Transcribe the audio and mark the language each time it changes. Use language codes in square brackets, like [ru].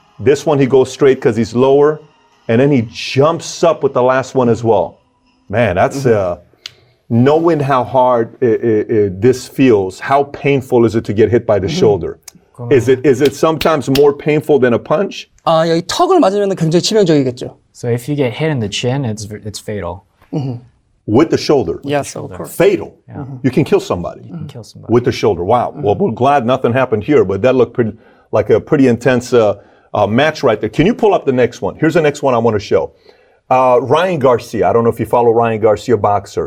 [en] This one he goes straight because he's lower. And then he jumps up with the last one as well. Man, that's knowing how hard this feels, how painful is it to get hit by the shoulder? Is it sometimes more painful than a punch? [ko] 아, 여기 턱을 맞으면은 굉장히 치명적이겠죠. [en] So if you get hit in the chin, it's fatal. Mm-hmm. With the shoulder? Yes, of course. Fatal? Yeah. Mm-hmm. You can kill somebody? You can kill somebody. With the shoulder, wow. Mm-hmm. Well, we're glad nothing happened here, but that looked pretty intense match right there. Can you pull up the next one? Here's the next one I want to show. Ryan Garcia, I don't know if you follow Ryan Garcia, boxer.